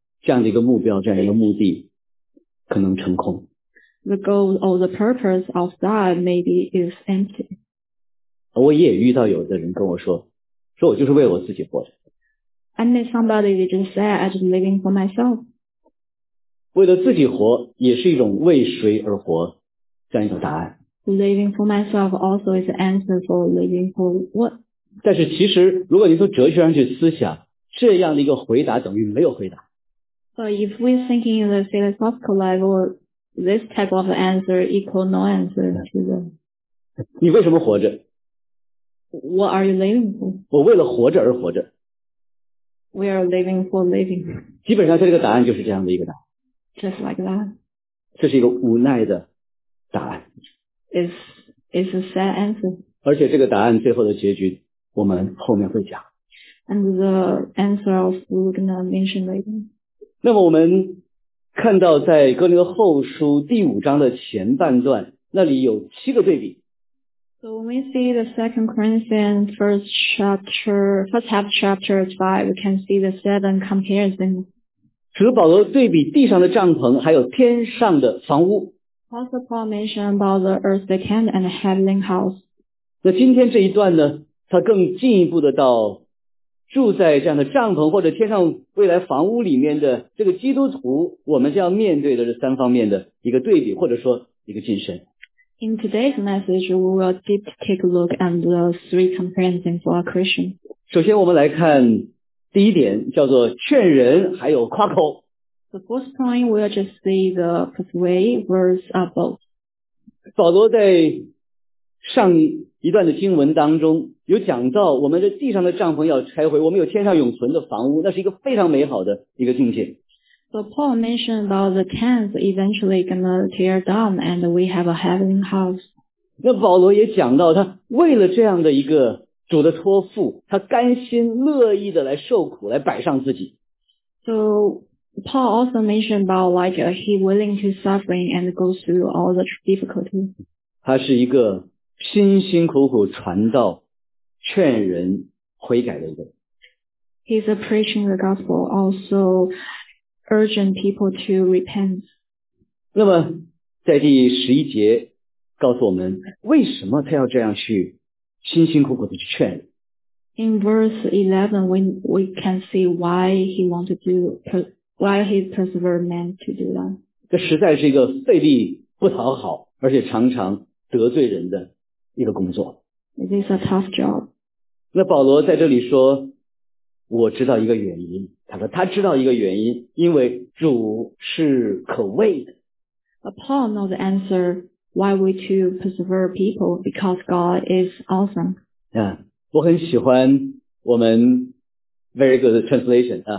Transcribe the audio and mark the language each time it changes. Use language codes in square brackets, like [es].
[zh] 这样的一个目标，这样一个目的，可能成空。 [en] The goal or the purpose of that maybe is empty. [zh] 我也遇到有的人跟我说，说我就是为我自己活着。 [en] I met somebody that just said I just living for myself. [zh] 为了自己活也是一种为谁而活这样一种答案。 [en] Living for myself also is the answer for living for what? [zh] 但是其实如果你从哲学上去思想，这样的一个回答等于没有回答。 [en] But if we thinking in the philosophical level, this type of answer equal no answer to the. [zh] 你为什么活着？ [en] What are you living for? [zh] 我为了活着而活着。 [en] We are living for living. [zh] 基本上这个答案就是这样的一个答案。 [en] just like that. [zh] 这是一个无奈的答案。 [en] It's a sad answer. [zh] 而且这个答案最后的结局我们后面会讲。 [en] And the answer of we're going to mention later. [zh] 那么我们看到在哥林多后书第五章的前半段那里有七个对比。 [en] So when we see the second Corinthians first half chapter 5, we can see the seven comparisons. [zh] 使保罗对比地上的帐篷还有天上的房屋。 [en] Pastor Paul mentioned about the earthly camp and the heavenly house. [zh] 那今天这一段呢他更进一步的到住在这样的帐篷或者天上未来房屋里面的这个基督徒我们将面对的这三方面的一个对比或者说一个晋升。 [en] In today's message, we will deep take a look at the three comparisons for a Christian. [zh] 首先我们来看第一点叫做劝人还有夸口。 [en] The first point, we'll just see the persuade words are both. [zh] 保罗在上一段的经文当中有讲到我们这地上的帐篷要拆毁我们有天上永存的房屋那是一个非常美好的一个境界。 [en] So Paul mentioned about the tents eventually going to tear down and we have a heavenly house. [zh] 那保罗也讲到他为了这样的一个主的托付他甘心乐意的来受苦来摆上自己。 [en] So Paul also mentioned about like he willing to suffering and go through all the difficulties. [zh] 他是一个辛辛苦苦传道劝人悔改的人。 [en] He's a preaching the gospel also urging people to repent. [zh] 那么在第十一节告诉我们为什么他要这样去辛辛苦苦的去劝人。 [en] In verse 11, we can see why he wanted to do, why he persevered meant to do that. [zh] 这实在是一个费力不讨好而且常常得罪人的一个工作。 [en] It is a tough job. [zh] 那保罗在这里说我知道一个原因他说他知道一个原因因为主是可畏的。 [en] But Paul knows the answer why we to persevere people because God is awesome. Yeah, [zh] 我很喜欢我们 [en] very good translation.